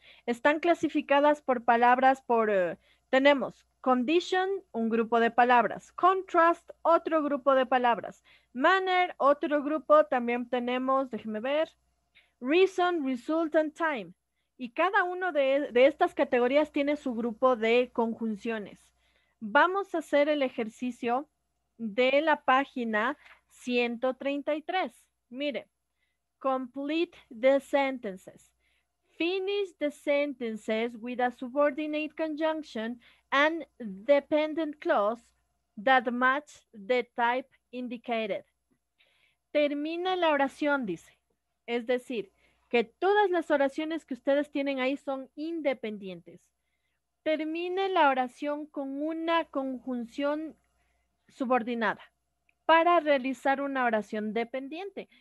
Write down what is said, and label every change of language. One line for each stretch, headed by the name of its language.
Spanish: Están clasificadas por palabras, tenemos condition, un grupo de palabras, contrast, otro grupo de palabras, manner, otro grupo, también tenemos, déjeme ver, reason, result, and time. Y cada uno de estas categorías tiene su grupo de conjunciones. Vamos a hacer el ejercicio de la página 133.
English: Mire, complete the sentences. Finish the sentences with a subordinate conjunction and dependent clause that match the type indicated.
Spanish: Termina la oración, dice. Es decir, que todas las oraciones que ustedes tienen ahí son independientes. Termine la oración con una conjunción subordinada para realizar una oración dependiente.